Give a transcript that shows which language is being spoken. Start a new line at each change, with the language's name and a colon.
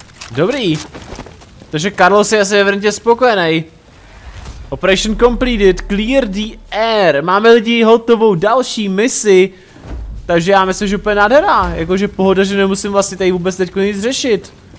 Czech: Dobrý. Takže Carlos je asi evidentně spokojený.
English: Operation completed, clear the air.
Czech: Máme lidi hotovou další misi. Takže já myslím, že úplně nádhera, jakože pohoda, že nemusím vlastně tady vůbec teďko nic řešit.